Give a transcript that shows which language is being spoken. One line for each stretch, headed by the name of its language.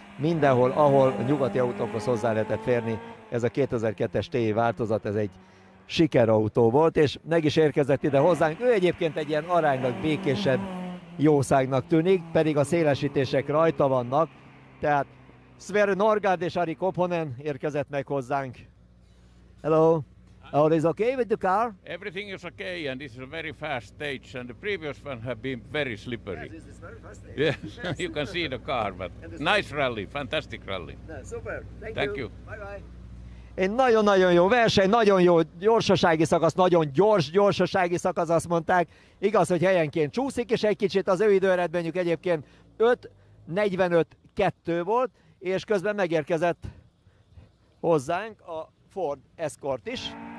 Hungarian: Mindenhol, ahol a nyugati autókhoz hozzá lehetett férni, ez a 2002-es TI változat, ez egy sikerautó volt, és meg is érkezett ide hozzánk. Ő egyébként egy ilyen aránylag békésebb jószágnak tűnik, pedig a szélesítések rajta vannak, tehát Sverre Norgard és Ari Kopponen érkezett meg hozzánk.
English: Hello! All is okay with the car? Everything is okay, and this is a very fast stage, and the previous one have been very slippery. Yes, this is very fast stage. Yes, yes. You can see the car, but the nice stage. Rally, fantastic rally. Yeah, super, thank you.
Hungarian: Egy nagyon-nagyon jó verseny, nagyon jó gyorsasági szakasz, nagyon gyors gyorsasági szakasz, azt mondták. Igaz, hogy helyenként csúszik is egy kicsit, az ő időeredményük egyébként 5:45.2 volt, és közben megérkezett hozzánk a Ford Escort is.